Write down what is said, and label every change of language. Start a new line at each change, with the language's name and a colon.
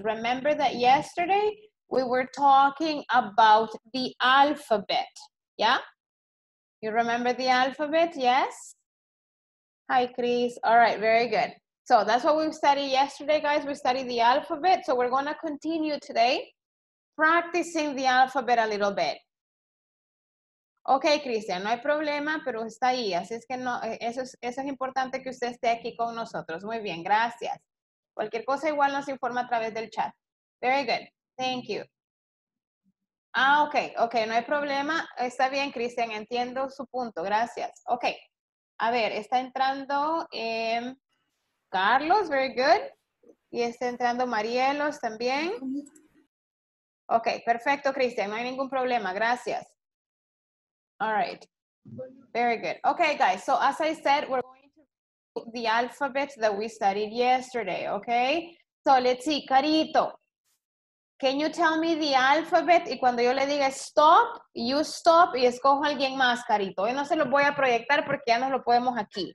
English: Remember that yesterday we were talking about the alphabet, yeah? You remember the alphabet, yes? Hi, Chris. All right, very good. So that's what we studied yesterday, guys. We studied the alphabet, so we're gonna continue today practicing the alphabet a little bit.
Spanish: Okay, Cristian, no hay problema, pero está ahí. Así es que no, eso es importante que usted esté aquí con nosotros. Muy bien, gracias. Cualquier cosa igual nos informa a través del chat.
English: Very good. Thank you.
Spanish: Ah, okay, okay, no hay problema. Está bien, Cristian, entiendo su punto. Gracias. Okay. A ver, está entrando Carlos,
English: very good.
Spanish: Y está entrando Marielos también. Okay, perfecto, Cristian, no hay ningún problema. Gracias.
English: All right, very good. Okay, guys, so as I said, we're going to do the alphabet that we studied yesterday, okay? So let's see, Carito, can you tell me the alphabet?
Spanish: Y cuando yo le diga stop,
English: you stop
Spanish: y escojo a alguien más, Carito. Y no se lo voy a proyectar porque ya no lo podemos aquí.